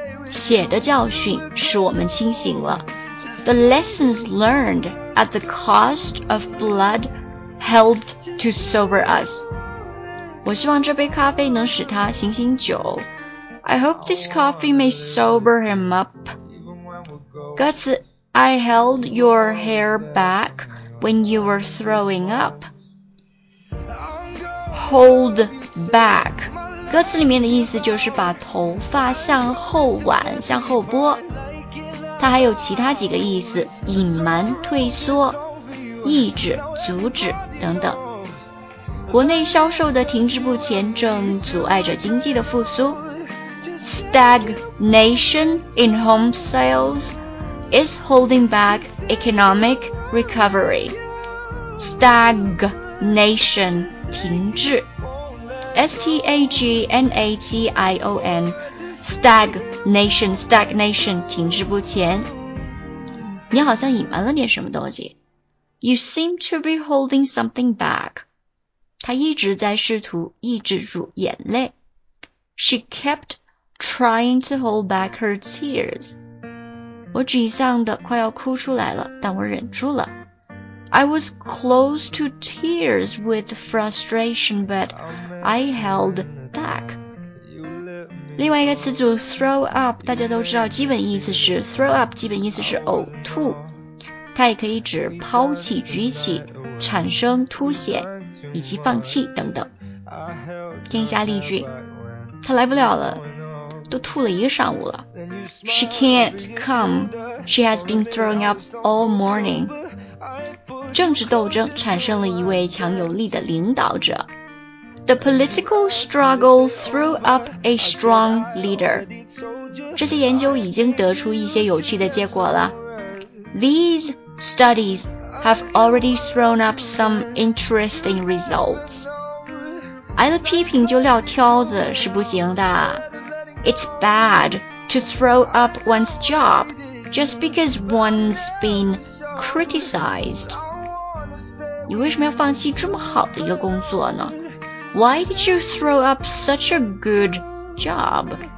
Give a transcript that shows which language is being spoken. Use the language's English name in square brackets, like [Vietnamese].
[Chinese] 血的教训使我们清醒了。 [English] The lessons learned at the cost of blood helped to sober us. [Chinese] 我希望这杯咖啡能使他醒醒酒。 [English] I hope this coffee may sober him up. 歌词I held your hair back when you were throwing up. Hold back. [Chinese] 歌词里面的意思就是把头发向后挽、向后拨。它还有其他几个意思，隐瞒、退缩、抑制、阻止等等。国内销售的停滞不前正阻碍着经济的复苏。 [English] Stagnation in home sales. Is holding back economic recovery. Stagnation, 停滞 S-T-A-G-N-A-T-I-O-N, stagnation, stagnation, 停滞不前。 [Chinese] 你好像隐瞒了点什么东西。 [English] You seem to be holding something back. [Chinese] 她一直在试图抑制住眼泪。 [English] She kept trying to hold back her tears. [Chinese] 我沮丧的快要哭出来了，但我忍住了。 [English] I was close to tears with frustration, but I held back. [Chinese] 另外一个词组 throw up, 大家都知道基本意思是 throw up, 基本意思是呕吐。它也可以指抛弃、举起、产生、凸显以及放弃等等。听一下例句，他来不了了。都吐了一个上午了。 [English] She can't come. She has been throwing up all morning. [Chinese] 政治斗争产生了一位强有力的领导者。 [English] The political struggle threw up a strong leader. [Chinese] 这些研究已经得出一些有趣的结果了。 [English] These studies have already thrown up some interesting results. [Chinese] 挨了批评就撂挑子是不行的。 [English] It's bad to throw up one's job just because one's been criticized. [Chinese] 你为什么要放弃这么好的一个工作呢? [English] Why did you throw up such a good job?